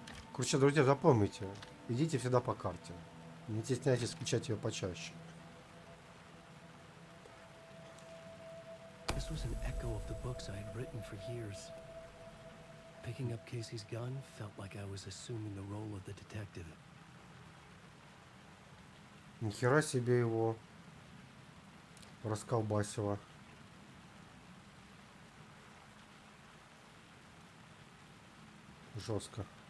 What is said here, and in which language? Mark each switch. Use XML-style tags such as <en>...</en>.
<ru>Короче, друзья, запомните. Идите всегда по карте. Не стесняйтесь включать ее почаще.</ru> <en>This was an echo of the books I had written for years. Picking up Casey's gun felt like I was assuming the role of the detective.</en> <ru>Нихера себе его расколбасило. Жестко.</ru>